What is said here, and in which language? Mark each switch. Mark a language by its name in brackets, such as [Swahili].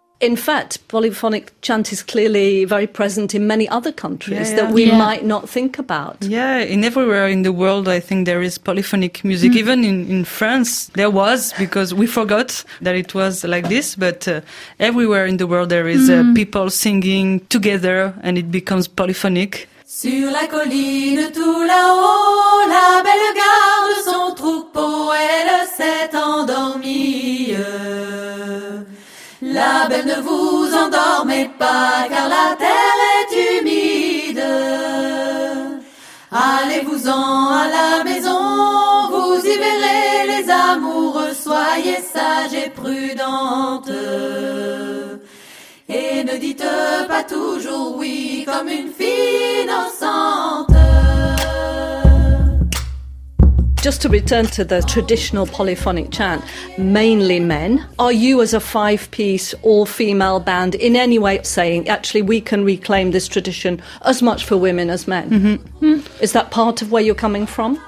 [English] In fact, polyphonic chant is clearly very present in many other countries that we might not think about. Yeah, in everywhere in the world, I think there is polyphonic music. Mm. Even in France, there was, because we forgot that it was like this. But everywhere in the world, there is people singing together and it becomes polyphonic. [French] Sur la colline tout là-haut, la belle garde son troupeau, elle s'est endormie. La belle ne vous endormez pas, car la terre est humide. Allez-vous-en à la maison, vous y verrez les amoureux, soyez sages et prudentes. Et ne dites pas toujours oui, comme une fille innocente. [English] just to return to the traditional polyphonic chant, mainly men. Are you, as a five-piece, all-female band, in any way saying, actually, we can reclaim this tradition as much for women as men? Mm-hmm. Is that part of where you're coming from?